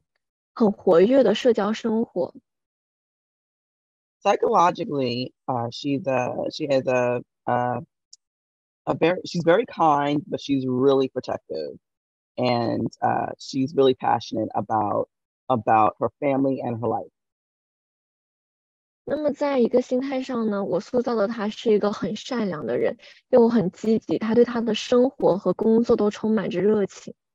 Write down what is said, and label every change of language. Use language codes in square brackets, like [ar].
[zh] 那么在她的社交层面呢，她是来自一个中产阶级的一个军人家庭里面，她有很活跃的社交生活。 [en] Psychologically, she's very kind, but she's really protective, and she's really passionate about her family and her life. [zh] 那么在一个心态上呢，我塑造的她是一个很善良的人，又很积极，她对她的生活和工作都充满着热情。